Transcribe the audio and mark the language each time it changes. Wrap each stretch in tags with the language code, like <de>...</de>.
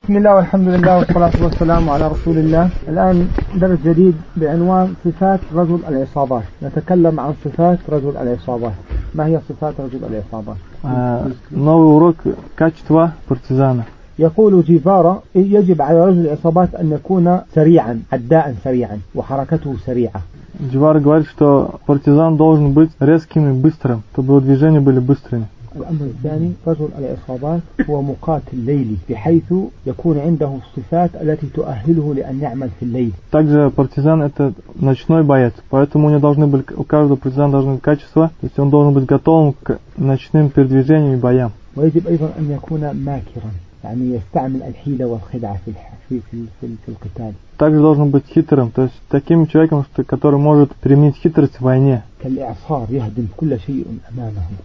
<ar>بسم الله والحمد لله والصلاة والسلام على رسول الله. الآن درس جديد بعنوان صفات رجل العصابات. نتكلم عن صفات رجل العصابات. ما هي صفات رجل العصابات؟</ar> <ru>Новый урок. Качества партизана.</ru> <ar>يقول جيفارا: يجب على رجل العصابات أن يكون سريعا، عداء سريعا، وحركته سريعة.</ar> <ru>جيفارا говорит, что партизан должен быть резким и быстрым, чтобы его движения были быстрыми.</ru> <ar>الأمر الثاني: رجل العصابات هو مقاتل ليلي، بحيث يكون عنده الصفات التي تؤهله لأن يعمل في الليل.</ar> <ru>также партизан это ночной боец, поэтому у него должны быть, у каждого партизана должны быть качества, то есть он должен быть готовым к ночным передвижениям и боям.</ru> <ar>ويجب أيضا أن يكون ماكرا، يعني يستعمل الحيلة والخدعة في القتال.</ar> <ru>также должен быть хитрым, то есть таким человеком, который может применить хитрость в войне.</ru> <ar>كالإعصار يهدم كل شيء أمامه.</ar>